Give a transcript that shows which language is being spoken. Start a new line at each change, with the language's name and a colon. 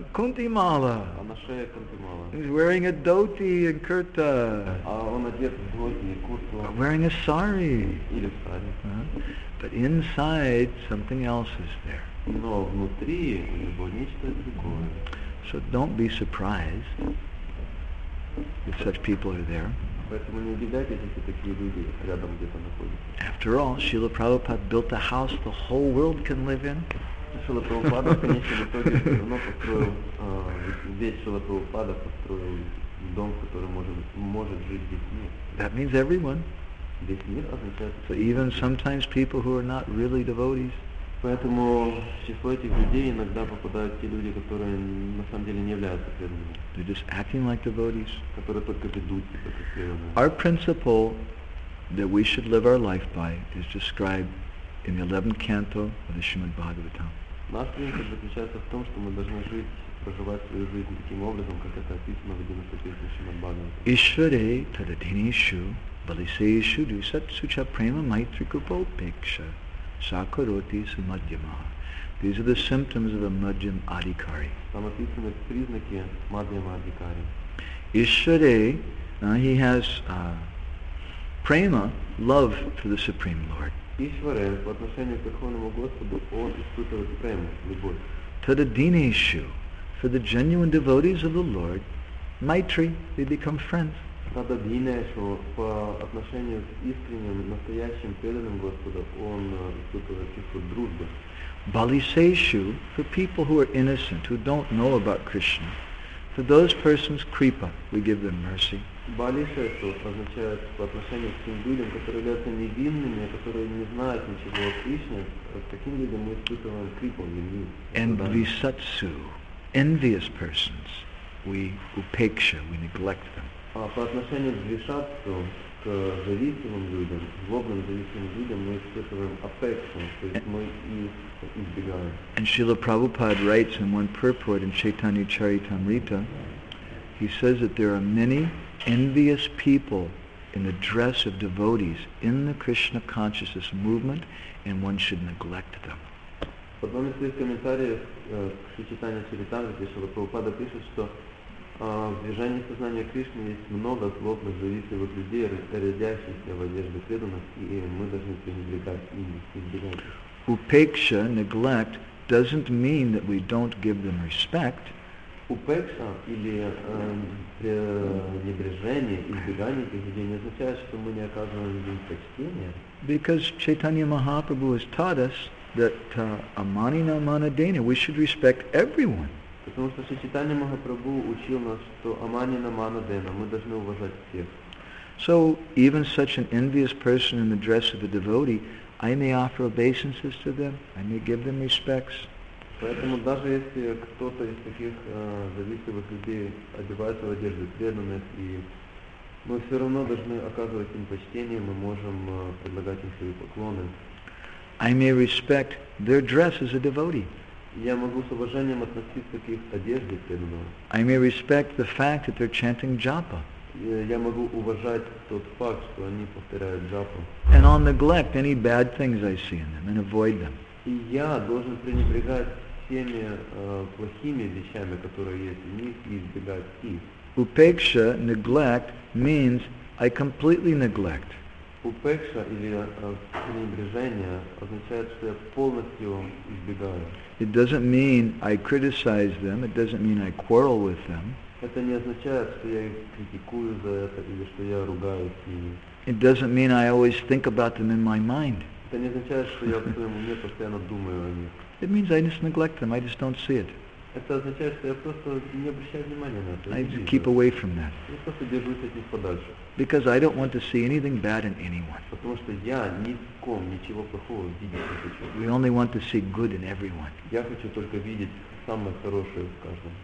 Russian: Кунти Мала. А на шее Кунти Мала.
English: He's wearing a dhoti and kurta.
Russian: А он одет в dhoti и куртку.
English: Wearing a sari.
Russian: Или сари.
English: But inside something else is there.
Russian: Но внутри любовь нечто другое.
English: So don't be surprised if such people are there.
Russian: Поэтому не удивляйтесь, если такие люди рядом где-то находятся.
English: After all, Srila Prabhupada built a house the whole world can live in.
Russian: Srila Prabhupada, конечно, в итоге все равно построил, весь Srila Prabhupada построил дом, в котором может жить весь мир.
English: That means everyone.
Russian: Весь мир означает.
English: So even sometimes people who are not really devotees.
Russian: Поэтому в число этих людей иногда попадают те люди, которые на самом деле не являются преданными.
English: They're just acting like devotees.
Russian: Которые только ведут себя как преданные.
English: Our principle that we should live our life by is described in the 11th canto of the Srimad Bhagavatam.
Russian: Наш принцип заключается в том, что мы должны проживать свою жизнь таким образом, как это описано в 11-й песне Шримад Бхагаватам.
Sanskrit: Ишваре тададхинишу валисейшу дюсатсуча према майтрикупалпекша. Sakaroti sumadhyama.
English: These are the symptoms of a madhyam adhikari.
Russian: Там описаны признаки мадхьяма адхикари.
English: Ishvare, he has prema, love for the Supreme Lord.
Russian: Ishvare, по отношению к Верховному Господу, он испытывает прему, любовь.
English: Tadadineshu, for the genuine devotees of the Lord, maitri, they become friends.
Russian: Тададинешу по отношению к искренним, настоящим преданным Господу, он испытывает чувство дружбы.
English: Балисешу, for people who are innocent, who don't know about Krishna, for those persons, kripa, we give them mercy.
Russian: Балисешу означает по отношению к тем людям, которые являются невинными, которые не знают ничего о Кришне, таким людям мы испытываем крипу, невинность.
English: And висатсу, envious persons, we упекша, we neglect them.
Russian: А по отношению к двишатству, к зависимым людям, злобным зависимым людям, мы испытываем affection, то есть мы их избегаем.
English: And Srila Prabhupada writes in one purport in Chaitanya Charitamrita, he says that there are many envious people in the dress of devotees in the Krishna consciousness movement, and one should neglect them.
Russian: В одном из своих комментариев к Чайтанья Чаритамрите Шрила Прабхупада пишет, что в движении сознания Кришны есть много злобных, зависимых людей, рядящихся в одежде преданных, и мы должны пренебрегать ими, избегать их.
English: Упекша, neglect, doesn't mean that we don't give them respect.
Russian: Упекша или пренебрежение, избегание этих людей не означает, что мы не оказываем им почтения.
English: Because Chaitanya Mahaprabhu has taught us that
Sanskrit: amanina manadena,
English: we should respect everyone.
Russian: Потому что Шичитанья Махапрабху учил нас, что
Sanskrit: аманина манадена,
Russian: мы должны уважать всех.
English: So, even such an envious person in the dress of a devotee, I may offer obeisances to them, I may give them respects.
Russian: Поэтому даже если кто-то из таких завистливых людей одевается в одежду преданных, и мы все равно должны оказывать им почтение, мы можем предлагать им свои поклоны.
English: I may respect their dress as a devotee.
Russian: Я могу с уважением относиться к их одежде преданного.
English: I may respect the fact that they're chanting japa.
Russian: Я могу уважать тот факт, что они повторяют джапу.
English: And I'll neglect any bad things I see in them and avoid them.
Russian: И я должен пренебрегать теми плохими вещами, которые есть в них, и избегать их.
English: Upeksha, neglect, means I completely neglect.
Russian: Упекша или пренебрежение означает, что я полностью избегаю.
English: It doesn't mean I criticize them, it doesn't mean I quarrel with them.
Russian: Это не означает, что я их критикую за это или что я ругаюсь с ними.
English: It doesn't mean I always think about them in my mind.
Russian: Это не означает, что я в своем уме постоянно думаю о них.
English: It means I just neglect them, I just don't see it.
Russian: Это означает, что я просто не обращаю внимания на это.
English: I just keep away from that.
Russian: Я просто держусь от них подальше.
English: Because I don't want to see anything bad in anyone.
Russian: Потому что я ни в ком ничего плохого видеть не хочу.
English: We only want to see good in everyone.
Russian: Я хочу только видеть самое хорошее в каждом.